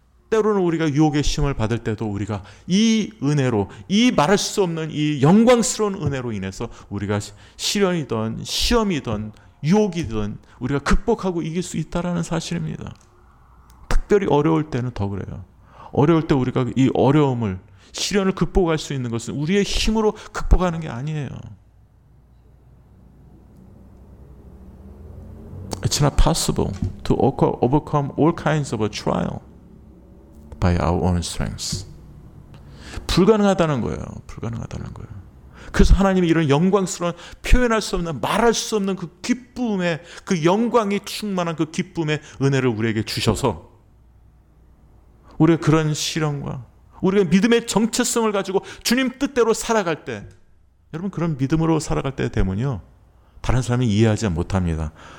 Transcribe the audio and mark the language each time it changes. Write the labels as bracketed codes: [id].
[ko] 때로는 우리가 유혹의 심을 받을 때도 우리가 이 은혜로, 이 말할 수 없는 이 영광스러운 은혜로 인해서 우리가 시련이든 시험이든 유혹이든 우리가 극복하고 이길 수 있다라는 사실입니다. 특별히 어려울 때는 더 그래요. 어려울 때 우리가 이 어려움을, 시련을 극복할 수 있는 것은 우리의 힘으로 극복하는 게 아니에요. [en] 'It's not possible to overcome all kinds of a trial by our own strengths.' [ko] 불가능하다는 거예요. 불가능하다는 거예요. 그래서 하나님이 이런 영광스러운, 표현할 수 없는, 말할 수 없는 그 기쁨의, 그 영광이 충만한 그 기쁨의 은혜를 우리에게 주셔서 우리가 그런 시련과 우리가 믿음의 정체성을 가지고 주님 뜻대로 살아갈 때, 여러분 그런 믿음으로 살아갈 때 되면요, 다른 사람이 이해하지 못합니다.